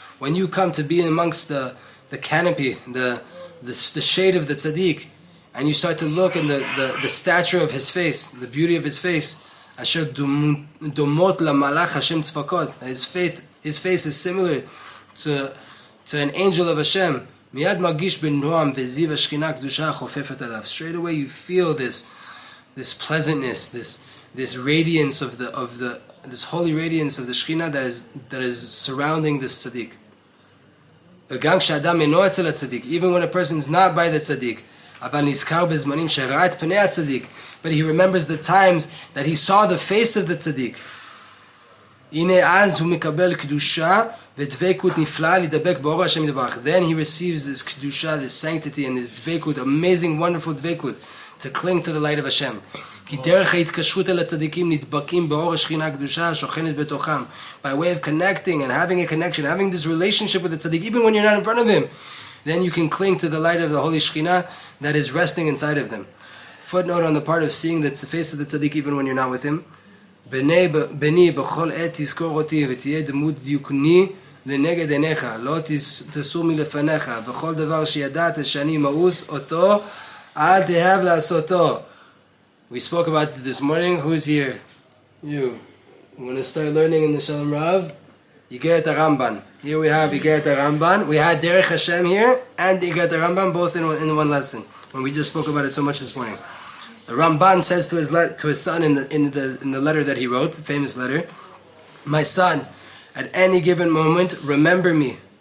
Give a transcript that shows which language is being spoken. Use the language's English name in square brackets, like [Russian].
[English] When you come to be amongst the canopy, the shade of the tzadik, and you start to look in the stature of his face, the beauty of his face, [Hebrew] asher domot la-malach Hashem tzfakot. [English] His face is similar to an angel of Hashem. [Hebrew] מיד מרגיש בנועם וזיו השכינה הקדושה חופפת עליו. [English] Straight away you feel this pleasantness, this radiance of this holy radiance of the Shekhinah that is surrounding this tzaddik. [Hebrew] וגם כשאדם אינו אצל הצדיק, [English] even when a person is not by the tzaddik, [Hebrew] אבל נזכר בזמנים שראה את פני הצדיק, [English] but he remembers the times that he saw the face of the tzaddik. [Hebrew] הנה אז הוא מקבל קדושה ודבקות נפלא לדבק באור השם יתברך. [English] Then he receives this kedusha, this sanctity, and this dvekut, amazing, wonderful dvekut, to cling to the light of Hashem. [Hebrew] כי דרך ההתקשרות אל הצדיקים נדבקים באור השכינה הקדושה השוכנת בתוכם. [English] By way of connecting and having a connection, having this relationship with the tzaddik, even when you're not in front of him, then you can cling to the light of the holy Shekhinah that is resting inside of them. Footnote on the part of seeing the face of the tzaddik even when you're not with him. [Hebrew] בני בכל עת תזכור אותי ותהיה דמות דיוקני לנגד עיניך לא תסור מלפניך וכל דבר שידעת שאני מאוס אותו אל תהב לעשותו. [English] We spoke about this morning. Who's here? You. You want to start learning in the Shalom Rav? Yigeret HaRamban. Here we have Yigeret HaRamban. We had Derech Hashem here and Yigeret HaRamban both in one lesson. when we just spoke about it so much this morning. The Ramban says to his son in the letter that he wrote, the famous letter, "My son, at any given moment, remember me.